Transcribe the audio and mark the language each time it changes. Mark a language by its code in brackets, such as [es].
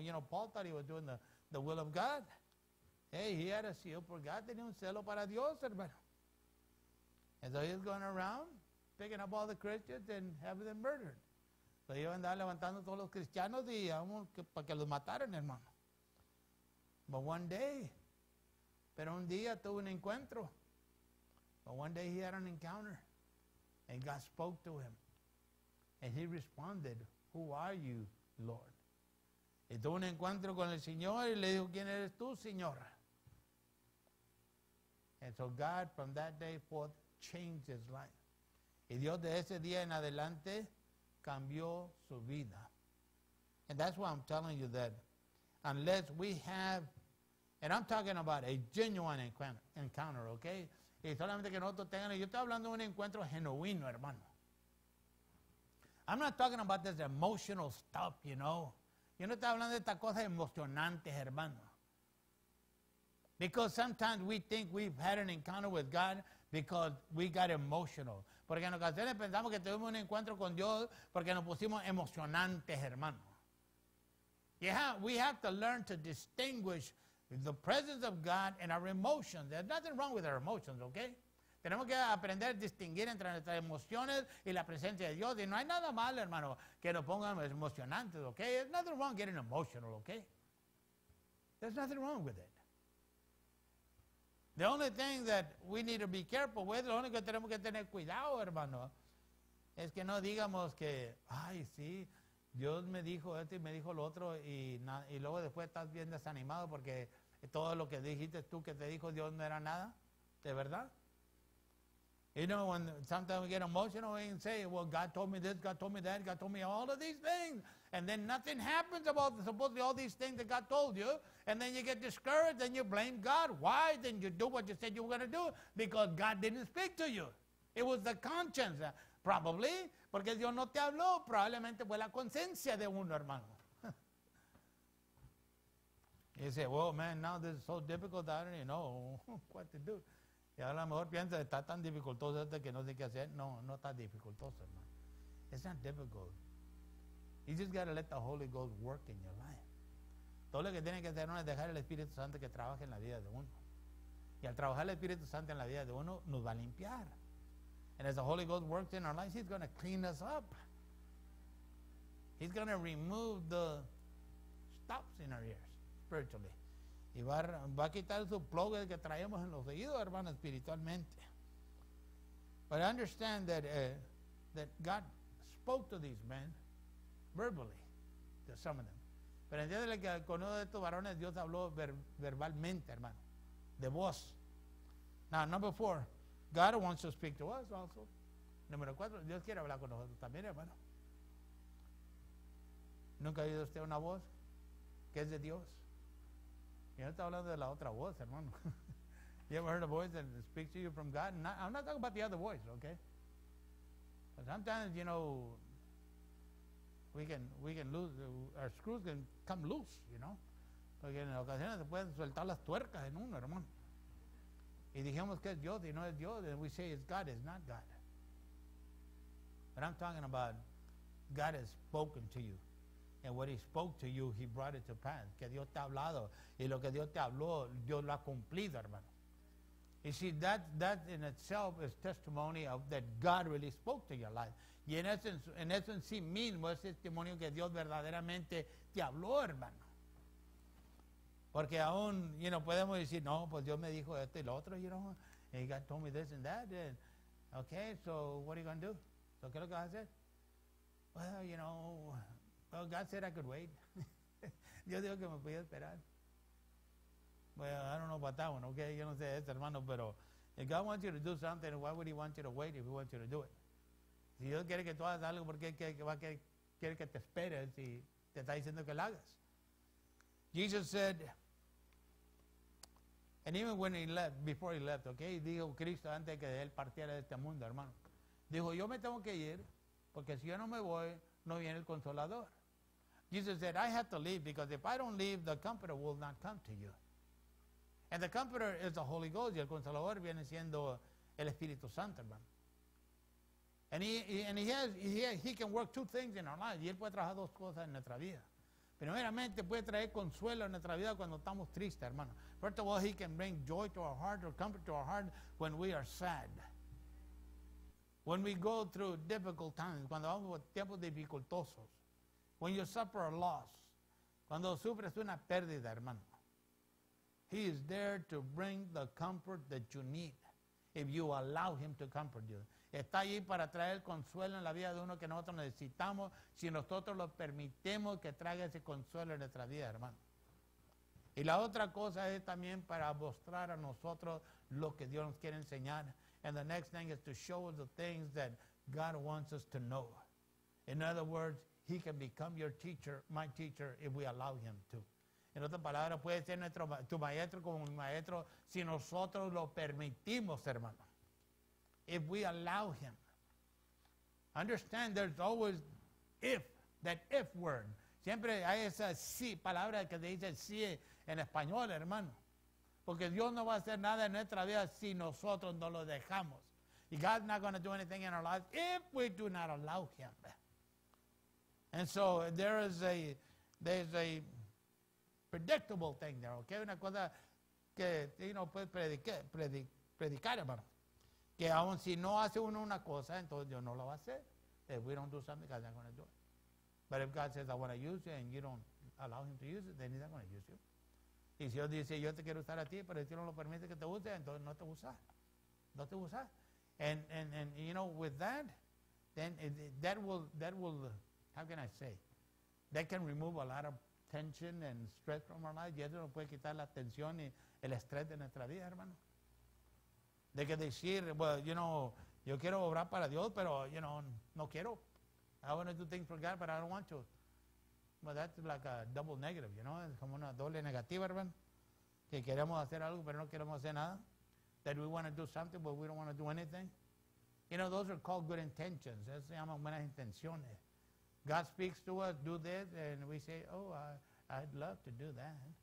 [en] You know, Paul thought he was doing the will of God. Hey, he had a zeal for God. [es] Tenía un celo para Dios, hermano. [en] And so he was going around picking up all the Christians and having them murdered. So he [es] andaba levantando todos los cristianos y para que los mataran, hermano. But one day, pero un día tuvo un encuentro. [en] But one day he had an encounter. And God spoke to him. And he responded, who are you, Lord? [es] Y tuvo un encuentro con el Señor y le dijo, ¿quién eres tú, Señor? [en] And so God, from that day forth, changed his life. [es] Y Dios de ese día en adelante cambió su vida. [en] And that's why I'm telling you that unless we have, and I'm talking about a genuine encounter, okay? [es] Y solamente que nosotros tengamos, yo estoy hablando de un encuentro genuino, hermano. [en] I'm not talking about this emotional stuff, you know. [es] Yo no estoy hablando de estas cosas emocionantes, hermano. [en] Because sometimes we think we've had an encounter with God because we got emotional. [es] Porque en ocasiones pensamos que tuvimos un encuentro con Dios porque nos pusimos emocionantes, hermano. [en] We have to learn to distinguish the presence of God and our emotions. There's nothing wrong with our emotions, okay? [es] Tenemos que aprender a distinguir entre nuestras emociones y la presencia de Dios. Y no hay nada mal, hermano, que nos pongamos emocionantes, okay? [en] There's nothing wrong getting emotional, okay? There's nothing wrong with it. The only thing that we need to be careful with, [es] lo único que tenemos que tener cuidado, hermano, es que no digamos que, ay, sí, Dios me dijo esto y me dijo lo otro y luego después estás bien desanimado porque todo lo que dijiste tú que te dijo Dios no era nada, ¿de verdad? [en] You know, when sometimes we get emotional and say, well, God told me this, God told me that, God told me all of these things. And then nothing happens about supposedly all these things that God told you. And then you get discouraged and you blame God. Why didn't you do what you said you were going to do? Because God didn't speak to you. It was the conscience, probably. [es] Porque Dios no te habló. Probablemente fue la conciencia de uno, hermano. [en] You say, well, man, now this is so difficult, I don't even know what to do. [es] Y a lo mejor piensa, está tan dificultoso este que no sé qué hacer. No, no está dificultoso, hermano. [en] It's not difficult. You just got to let the Holy Ghost work in your life. [es] Todo lo que tiene que hacer uno es dejar el Espíritu Santo que trabaje en la vida de uno. Y al trabajar el Espíritu Santo en la vida de uno, nos va a limpiar. [en] And as the Holy Ghost works in our lives, He's going to clean us up. He's going to remove the stops in our ears, spiritually. [es] Y va a quitar su plug que traemos en los oídos, hermano, espiritualmente. [en] But understand that that God spoke to these men verbally, to some of them. [es] Pero entiéndele que con uno de estos varones Dios habló verbalmente, hermano, de voz. [en] Now, number four, God wants to speak to us also. [es] Número cuatro, Dios quiere hablar con nosotros también, hermano. ¿Nunca ha oído usted una voz que es de Dios? Yo no estoy hablando de la otra voz, hermano. [en] You ever heard a voice that speaks to you from God? Not, I'm not talking about the other voice, okay? But sometimes, you know, we can lose, our screws can come loose, you know? [es] Porque en ocasiones se pueden soltar las tuercas en uno, hermano. Y dijimos que es Dios y no es Dios, [en] and we say it's God, it's not God. But I'm talking about God has spoken to you. And what he spoke to you, he brought it to pass. [es] Que Dios te ha hablado. Y lo que Dios te habló, Dios lo ha cumplido, hermano. [en] You see, that in itself is testimony of that God really spoke to your life. [es] Y en esencia sí mismo es testimonio que Dios verdaderamente te habló, hermano. Porque aún, you know, podemos decir, no, pues Dios me dijo esto y lo otro, you know. [en] And God told me this and that. And, okay, so what are you going to do? [es] So, ¿qué es lo que vas a hacer? [en] Well, you know, well, God said I could wait. [es] Dios dijo que me podía esperar. [en] Well, I don't know about that one, okay? [es] Yo no sé eso, hermano, pero [en] if God wants you to do something, why would he want you to wait if he wants you to do it? [es] Si Dios quiere que tú hagas algo, ¿por qué quiere que te esperes y te está diciendo que lo hagas? [en] Jesus said, and even when he left, before he left, okay? [es] Dijo Cristo antes que él partiera de este mundo, hermano. Dijo, yo me tengo que ir porque si yo no me voy, no viene el Consolador. [en] Jesus said, I have to leave because if I don't leave, the Comforter will not come to you. And the Comforter is the Holy Ghost. [es] Y el Consolador viene siendo el Espíritu Santo, hermano. [en] And he can work two things in our lives. [es] Y él puede trabajar dos cosas en nuestra vida. Primeramente, puede traer consuelo en nuestra vida cuando estamos tristes, hermano. [en] First of all, he can bring joy to our heart or comfort to our heart when we are sad. When we go through difficult times, [es] cuando vamos por tiempos dificultosos. [en] When you suffer a loss. [es] Cuando sufres una pérdida, hermano. [en] He is there to bring the comfort that you need if you allow him to comfort you. [es] Está allí para traer consuelo en la vida de uno que nosotros necesitamos si nosotros lo permitimos que traiga ese consuelo en nuestra vida, hermano. Y la otra cosa es también para mostrar a nosotros lo que Dios nos quiere enseñar. [en] And the next thing is to show us the things that God wants us to know. In other words, he can become your teacher, my teacher, if we allow him to. [es] En otras palabras, puede ser tu maestro como mi maestro si nosotros lo permitimos, hermano. [en] If we allow him. Understand there's always if, that if word. [es] Siempre hay esa sí, palabra que dice sí en español, hermano. Porque Dios no va a hacer nada en nuestra vida si nosotros no lo dejamos. [en] Y God's not going to do anything in our lives if we do not allow him. And so there's a predictable thing there, okay? [es] Una cosa que uno puede predicar, hermano. Que aun si no hace uno una cosa, entonces Dios no lo va a hacer. [en] If we don't do something, God's not going to do it. But if God says, I want to use you, and you don't allow him to use it, then he's not going to use you. [es] Y si Dios dice, yo te quiero usar a ti, pero si no lo permite que te use, entonces no te usa. No te usa. [en] And you know, with that, then that will, how can I say? That can remove a lot of tension and stress from our lives. [es] Y eso nos puede quitar la tensión y el estrés de nuestra vida, hermano. De que decir, well, you know, yo quiero obrar para Dios, pero, you know, no quiero. [en] I want to do things for God, but I don't want to. Well, that's like a double negative, you know. [es] Es como una doble negativa, hermano. Que queremos hacer algo, pero no queremos hacer nada. [en] That we want to do something, but we don't want to do anything. You know, those are called good intentions. [es] Eso se llaman buenas intenciones. [en] God speaks to us, do this, and we say, oh, I'd love to do that.